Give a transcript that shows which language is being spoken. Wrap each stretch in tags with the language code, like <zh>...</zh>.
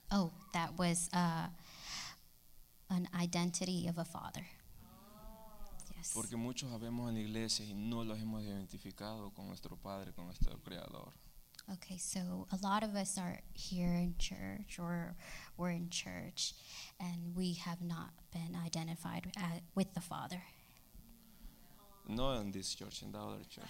<en>Oh, that was an identity of a father.</en> <es>Porque muchos habemos en la iglesia y no los hemos identificado con nuestro padre, con nuestro creador.</es> <en>Okay, so a lot of us are here in church or we're in church and we have not been identified with the father. No, in this church, in the other church.</en>